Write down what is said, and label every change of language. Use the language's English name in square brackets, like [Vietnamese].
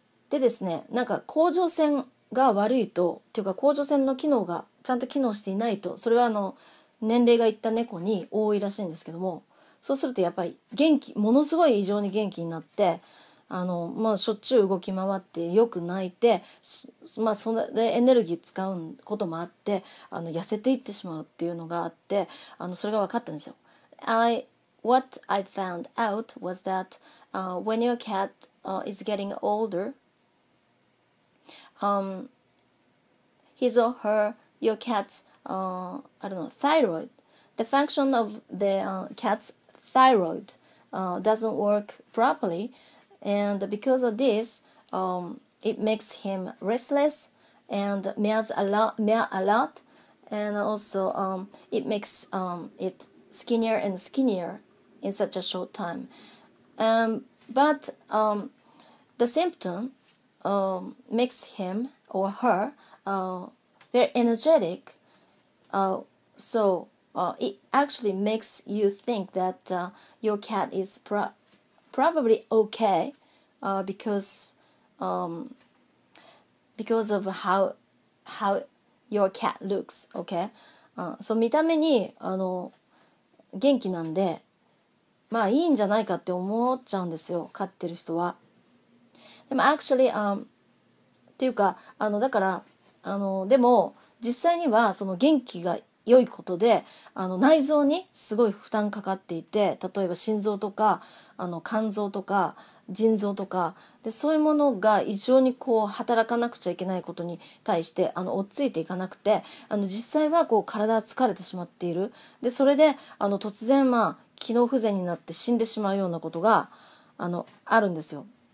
[Japanese] でですね、なんか甲状腺が悪いと、というか甲状腺の機能がちゃんと機能していないと、それは年齢がいった猫に多いらしいんですけども、そうするとやっぱり元気、ものすごい異常に元気になって、まあ、しょっちゅう動き回ってよく泣いて、まあ、それでエネルギー使うこともあって、痩せていってしまうっていうのがあって、それが分かったんですよ。 [English] What I found out was that when your cat is getting older, his or her, your cat's I don't know, thyroid, the function of the cat's thyroid doesn't work properly. And because of this, it makes him restless and meow a lot, and also it makes it skinnier and skinnier in such a short time. But the symptom makes him or her very energetic, so it actually makes you think that your cat is probably okay, because of how your cat looks, okay? [Japanese] So 見た目に元気なんで、まあいいんじゃないかって思っちゃうんですよ、飼ってる人は。でも actually っていうか、だからでも実際にはその元気が良いことで、内臓にすごい負担かかっていて、例えば心臓とか肝臓とか腎臓とかで、そういうものが異常にこう働かなくちゃいけないことに対して追っついていかなくて、実際はこう体は疲れてしまっている、でそれで突然、まあ、機能不全になって死んでしまうようなことがあるんですよ。